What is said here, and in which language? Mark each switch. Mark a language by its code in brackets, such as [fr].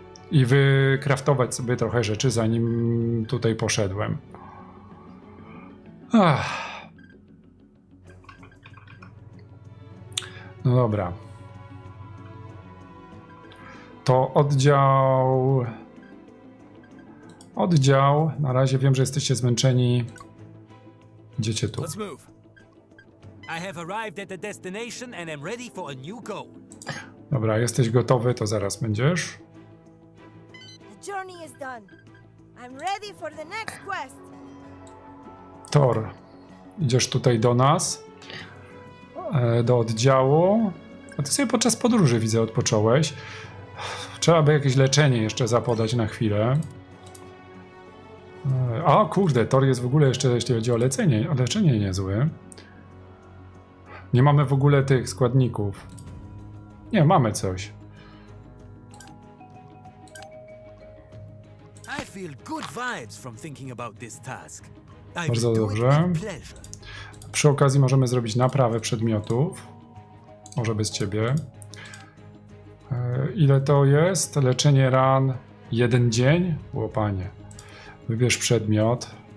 [pl] i wykraftować sobie trochę rzeczy, zanim tutaj poszedłem. Ach. No dobra. To oddział... Oddział, na razie wiem, że jesteście zmęczeni. Idziecie tu. [en] I have arrived at the destination and am ready for a new goal. [pl] Dobra, jesteś gotowy, to zaraz będziesz. [en] The journey is done. I'm ready for the next quest. [pl] Thor, idziesz tutaj do nas, do oddziału. A ty sobie podczas podróży, widzę, odpocząłeś. Trzeba by jakieś leczenie jeszcze zapodać na chwilę. A kurde, Thor jest w ogóle jeszcze, jeśli chodzi o leczenie, niezły. Nie mamy w ogóle tych składników. Nie, mamy coś. [en] I feel good vibes from thinking about this task. [pl] Bardzo dobrze. Przy okazji możemy zrobić naprawę przedmiotów. Może bez ciebie. Ile to jest? Leczenie ran. Jeden dzień? Łopanie. Wybierz przedmiot.